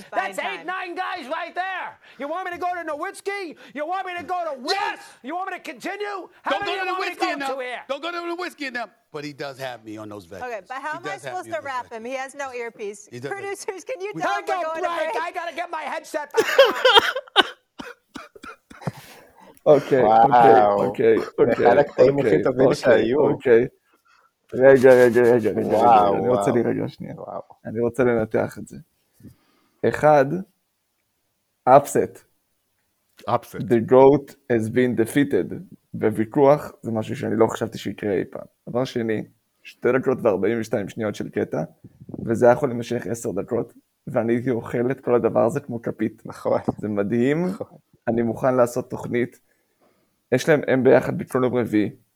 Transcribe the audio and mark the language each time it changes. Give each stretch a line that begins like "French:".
English: That's 8-9 guys right there. You want me to go to Nowitzki? You want me to go to Wiggins? Yes! You want me to continue? How many are we going to go to here? Don't go to Nowitzki and them. But he does have me on those veggies. Okay, but how am I supposed to wrap him? He has no earpiece. Producers, can you tell him we're going to break? Break? I gotta get my headset back.
Hebrew: אוקיי, אוקיי, אוקיי, אוקיי, אוקיי, אוקיי, רגע, רגע, רגע, רגע, אני רוצה לרגע שנייה, אני רוצה לנתח את זה. אחד, upset.
English: upset. The goat has been defeated.
Hebrew: בוויכוח, זה משהו שאני לא חשבתי שיקרה אי פעם. דבר שני, 2:42 של קטע, וזה היה יכול למשך 10 דקות, ואני הייתי אוכל את כל הדבר הזה כמו כפית. נכון. זה מדהים, אני מוכן לעשות תוכנית, יש להם הם ביחד בכל יום רביעי.